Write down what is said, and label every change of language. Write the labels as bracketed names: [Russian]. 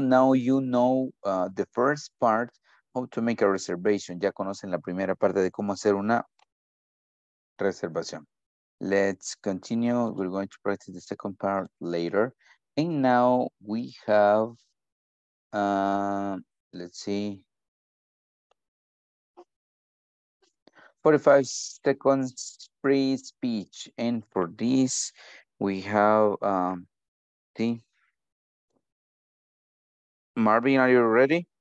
[English] Now you know the first part, how to make a reservation. [Spanish] Ya conocen la primera parte de cómo hacer una reservación. [English] Let's continue. We're going to practice the second part later. And now we have, let's see, 45 seconds free speech. And for this, we have Marvin, are you ready?